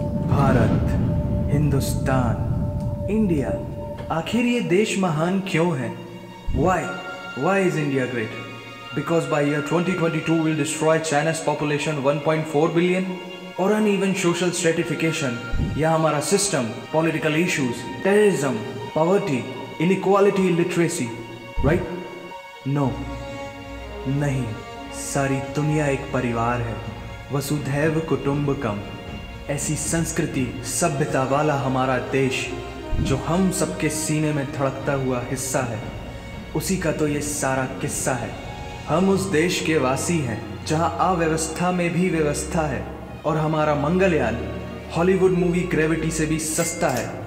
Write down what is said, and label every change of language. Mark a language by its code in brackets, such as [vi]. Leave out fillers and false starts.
[hi] Bharat, Hindustan, India, आखिर ये देश महान क्यों हैं? [en] Why? Why is India great? Because by year 2022 we'll destroy China's population 1.4 billion? Or uneven social stratification? [hi] या हमारा [en] system, political issues, terrorism, poverty, inequality, illiteracy, right? No. [hi] नहीं. सारी दुनिया एक परिवार है. वसुधैव कुटुंबकम ऐसी संस्कृति सभ्यता वाला हमारा देश जो हम सबके सीने में धड़कता हुआ हिस्सा है उसी का तो ये सारा किस्सा है हम उस देश के वासी हैं जहां अव्यवस्था में भी व्यवस्था है और हमारा मंगलयान हॉलीवुड मूवी ग्रेविटी से भी सस्ता है